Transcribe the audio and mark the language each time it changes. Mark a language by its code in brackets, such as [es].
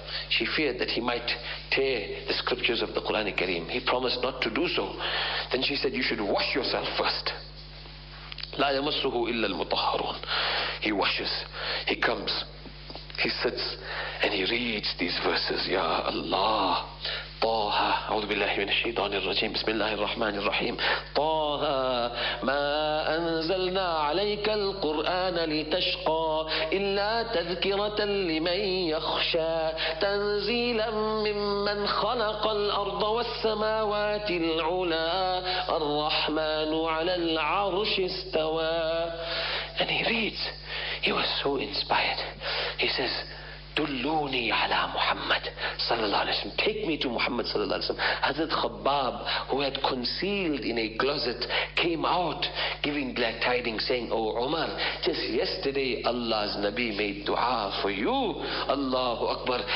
[en] She feared that he might tear the scriptures of the Quran Kareem. He promised not to do so. Then she said, you should wash yourself first. [ar] لَا يَمَسُّهُ إِلَّا الْمُطَهَّرُونَ. [en] He washes. He comes. He sits and he reads these verses. Ya Allah. [ar] طه أعوذ بالله من الشيطان الرجيم بسم الله الرحمن الرحيم طه ما أنزلنا عليك القرآن لتشقى إلا تذكرة لمن يخشى تنزيلا ممن خلق الأرض والسماوات العلا الرحمن على العرش استوى. [en] And he reads. He was so inspired. He says, [ar] دلوني على محمد صلى الله عليه وسلم. [en] Take me to Muhammad [ar] صلى الله عليه وسلم. [en] Hazrat Khabbab, who had concealed in a closet, came out giving glad tidings, saying, "O Umar, just yesterday Allah's Nabi made dua for you." Allahu Akbar.